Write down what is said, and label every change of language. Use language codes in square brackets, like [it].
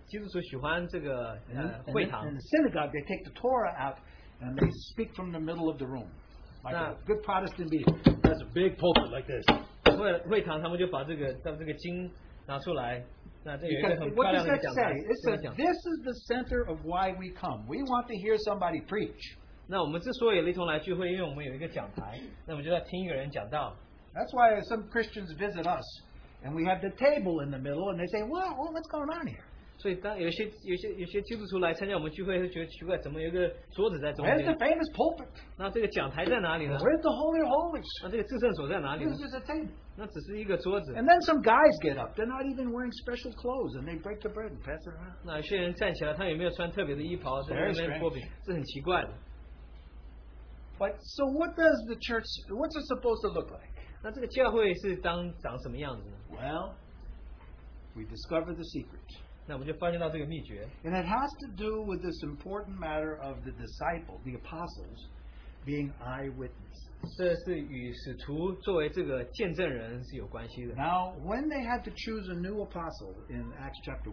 [zh] 但是这些基督徒喜欢这个会堂。 [en] In the synagogue, they take the Torah out and they speak from the middle of the room. Like a good Protestant being, that's a big pulpit like this. [zh] 会堂他们就把这个经拿出来, [en] what does that say? It says, this is the center of why we come. We want to hear somebody preach. [zh] 那我们之所以一同来聚会，因为我们有一个讲台，那我们就要听一个人讲道。 [en] That's why some Christians visit us, and we have the table in the middle, and they say, well, what's going on here? [zh] 所以当有些基督徒来参加我们聚会，会觉得奇怪，怎么有一个桌子在中间？ [en] Where's the famous pulpit? [zh] 那这个讲台在哪里呢？ [en] Where's the Holy of Holies? [zh] 那这个至圣所在哪里呢？ [en] This is a table. [zh] 那只是一个桌子。 [en] And then some guys get up. They're not even wearing special clothes, and they break the bread and pass it around. [zh] 那有些人站起来，他有没有穿特别的衣袍在那边擘饼？这很奇怪的。 [en] But so what does the church? What's it supposed to look like? [zh] 那这个教会是长什么样子呢？ [en] Well, we discover the secret. And it has to do with this important matter of the disciples, the apostles, being eyewitnesses. Now, when they had to choose a new apostle in Acts chapter